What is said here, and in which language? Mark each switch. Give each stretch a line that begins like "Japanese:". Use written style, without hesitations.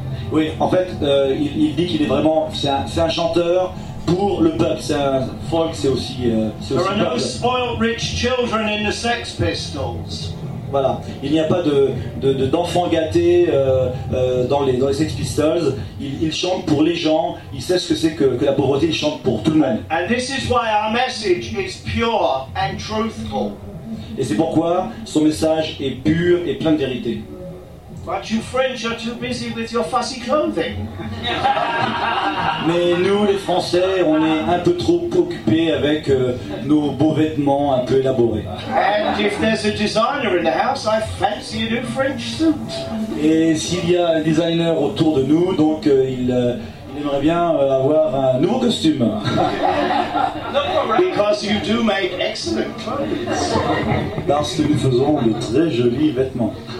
French: Oui, en fait, il dit qu'il est vraiment, c'est un chanteur pour le peuple. C'est un folk, c'est aussi.
English: There are no spoiled rich children in the Sex Pistols.
French: Voilà, il n'y a pas d'enfants gâtés dans les Sex Pistols. Il chante pour les gens, il sait ce que c'est que la pauvreté, il chante pour tout le monde.
English: And this is why our message is pure and truthful.
French: Et c'est pourquoi son message est pur et plein de vérité.
English: But you French are too busy with your fussy clothing.
French: Mais nous, les Français, on est un peu trop occupés avec nos beaux vêtements un peu élaborés.
English: And if there's a designer in the house, I fancy a new French suit.
French: Et s'il y a un designer autour de nous, donc il aimerait bien avoir un nouveau costume.
English: Because you do make excellent clothes.
French: Parce que nous faisons de très jolis vêtements.